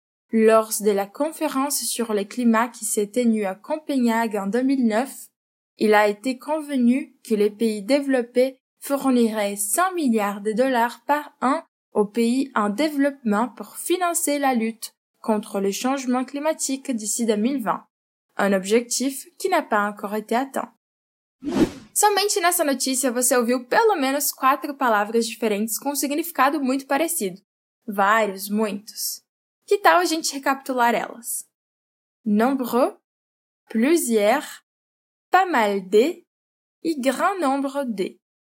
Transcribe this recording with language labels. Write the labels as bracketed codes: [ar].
[fr] Lors de la conférence sur le climat qui s'est tenue à Copenhague en 2009, il a été convenu que les pays développés fournirait 100 milliards de dollars par an aux pays en développement pour financer la lutte contre le changement climatique d'ici 2020, un objectif qui n'a pas encore été atteint. [pt] Somente nessa notícia você ouviu pelo menos 4 palavras diferentes com significado muito parecido. Vários, muitos. Que tal a gente recapitular elas? [fr] Nombreux, plusieurs, pas mal de e grand nombre de.